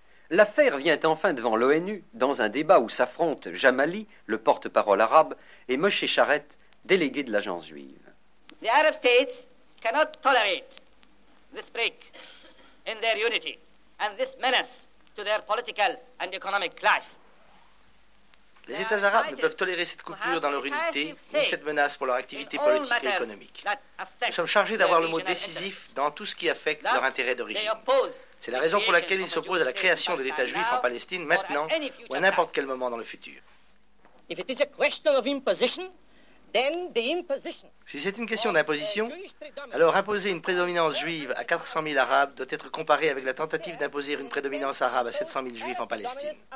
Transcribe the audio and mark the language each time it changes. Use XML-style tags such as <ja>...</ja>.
<fr>L'affaire vient enfin devant l'ONU dans un débat où s'affrontent Jamali, le porte-parole arabe, et Moshe Charet, délégué de l'agence juive.</fr> <en>The Arab states cannot tolerate this break in their unity and this menace to their political and economic life.</en> <fr>Les États arabes ne peuvent tolérer cette coupure dans leur unité ni cette menace pour leur activité politique et économique. Nous sommes chargés d'avoir le mot décisif dans tout ce qui affecte leur intérêt d'origine. C'est la raison pour laquelle ils s'opposent à la création de l'État juif en Palestine maintenant ou à n'importe quel moment dans le futur.</fr> <en>If it is a question of imposition, then the imposition.</en> <fr>Si c'est une question d'imposition, alors imposer une prédominance juive à 400 000 Arabes doit être comparé avec la tentative d'imposer une prédominance arabe à 700 000 Juifs en Palestine.</fr>